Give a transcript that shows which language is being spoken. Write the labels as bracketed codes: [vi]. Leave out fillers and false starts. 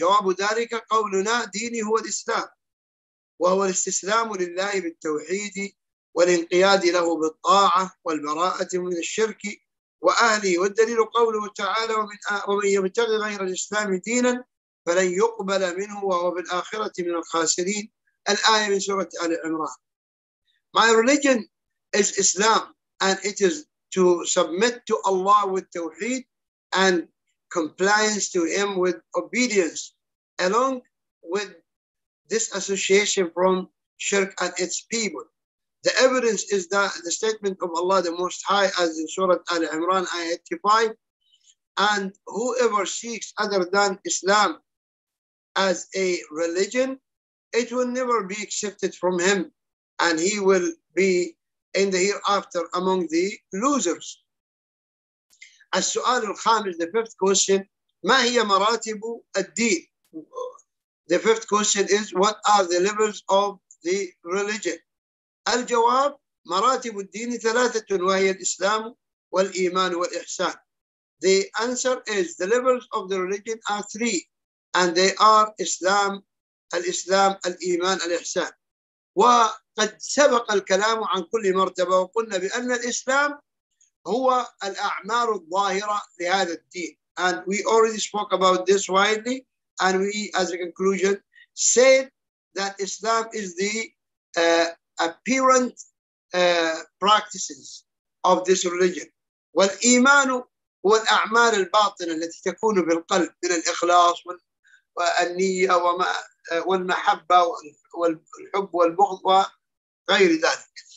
[ar] جواب ذلك قولنا ديني هو الإسلام وهو الاستسلام لله بالتوحيد والانقياد له بالطاعة والبراءة من الشرك وأهله. والدليل قوله تعالى ومن يبتغي غير الإسلام دينا فلن يقبل منه وهو في الآخرة من الخاسرين. الآية من سورة آل عمران. [en] My religion is Islam and it is to submit to Allah with tawheed and compliance to him with obedience along with this association from shirk and its people. The evidence is that the statement of Allah the Most High as in Surah Al-Imran Ayah 85, and whoever seeks other than Islam as a religion, it will never be accepted from him and he will be in the hereafter among the losers. [ar] السؤال الخامس, [en] the fifth question, [ar] ما هي مراتب الدين? [en] The fifth question is, what are the levels of the religion? [ar] الجواب, مراتب الدين ثلاثة وهي الإسلام والإيمان والإحسان. [en] The answer is, the levels of the religion are three, and they are Islam, [ar] الإسلام, الإيمان, الإحسان. وقد سبق الكلام عن كل مرتبة وقلنا بأن الإسلام هو الأعمال الظاهرة لهذا الدين. [en] And we already spoke about this widely, and we, as a conclusion, said that Islam is the apparent practices of this religion. [ar] والإيمان هو الأعمال الباطنة التي تكون في القلب من الإخلاص والنية والمحبة والحب والبغض وغير ذلك.